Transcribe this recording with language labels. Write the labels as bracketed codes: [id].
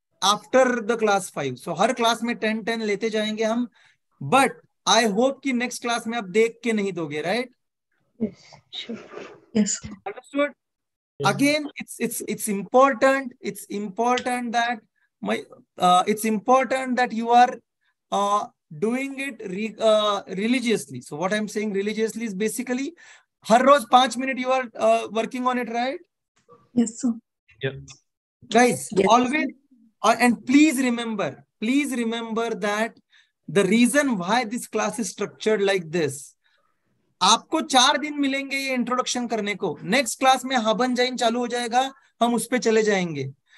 [en] after the class 5 सो [hi] हर class में 10-10 लेते जाएंगे हम [en] but I hope [hi] कि नेक्स्ट क्लास में आप देख के नहीं दोगे [en] Right understood Again, it's important that you are doing it religiously. So what I'm saying religiously is basically, [hi] har roz 5 minute [en] you are working on it, right? Yes, sir. Yeah. Guys, yes. always, and please remember that the reason why this class is structured like this, [hi] आपको 4 दिन मिलेंगे ये introduction करने को next class में हबन जैन चालू हो जाएगा हम उस पे चले जाएंगे